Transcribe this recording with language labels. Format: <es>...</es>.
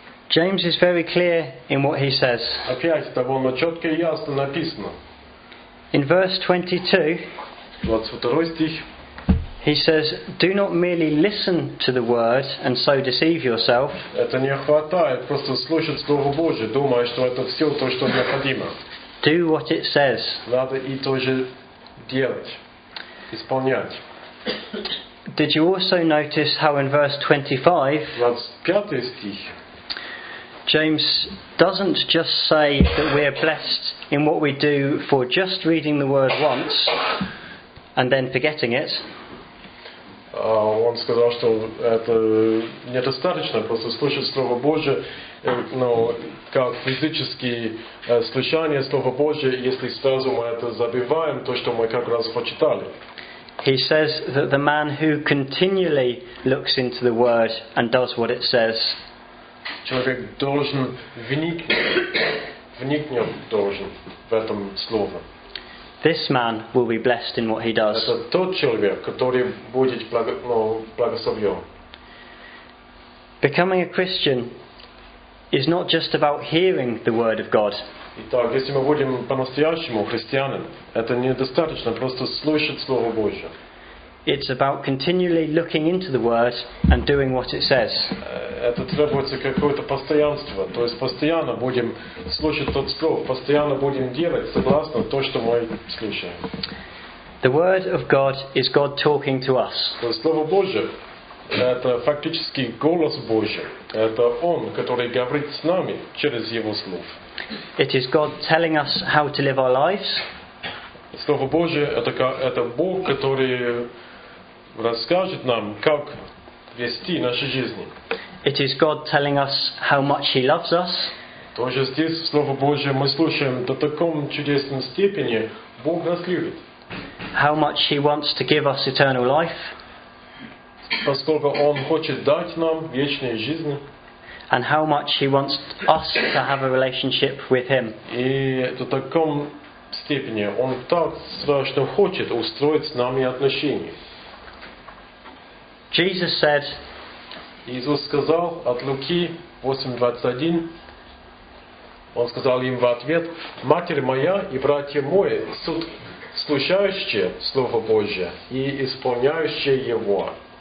<en>James is very clear in what he says.</en> <ru>Опять довольно четко и ясно написано.</ru> <en>In verse 22,</en> <ru>22 стих.</ru> <en>He says, do not merely listen to the word and so deceive yourself.</en> <ru>Это не хватает просто слушать Слово Божие, думая, что это все то, что необходимо.</ru> <en>Do what it says.</en> <ru>Надо и то же делать, исполнять.</ru> <en>Did you also notice how in verse 25,</en> <ru>стих,</ru> <en>James doesn't just say that we are blessed in what we do for just reading the word once and then forgetting it.</en> <ru>Он сказал, что это недостаточно просто слушать Слово Божие, как физические слушания Слова Божие, если сразу мы это забываем, то, что мы как раз прочитали.</ru> <en>He says that the man who continually looks into the word and does what it says.</en> <ru>Человек должен вникнем в этом слове.</ru> <en>This man will be blessed in what he does.</en> <ru>Это тот человек, который будет благословен.</ru> <en>Becoming a Christian is not just about hearing the word of God.</en> <ru>Итак, если мы будем по-настоящему христианами, это недостаточно просто слушать Слово Божье.</ru> <en>It's about continually looking into the word and doing what it says.</en> <ru>Это требуется какое-то постоянство, то есть постоянно будем слушать тот слово, постоянно будем делать согласно то, что мы слушаем.</ru> <en>The word of God is God talking to us.</en> <ru>То есть Слово Божье это фактически голос Божий. Это Он, который говорит с нами через Его слово.</ru> <en>It is God telling us how to live our lives.</en> <ru>Слово Божие это Бог, который расскажет нам, как вести наши жизни.</ru> <en>It is God telling us how much He loves us.</en> <ru>Тоже здесь Слово Божие мы слушаем до таком чудесном степени, Бог нас любит.</ru> <en>How much He wants to give us eternal life.</en> <ru>Поскольку Он хочет дать нам вечную жизнь.</ru> <en>And how much He wants us to have a relationship with Him.</en> <ru>И до таком степени Он так страшно хочет устроить с нами отношения.</ru> <en>Jesus said,</en> <ru>Иисус сказал от Луки 8:21, Он сказал им в ответ, «Матерь моя и братья мои суд слушающие Слово Божие и исполняющие Его».</ru>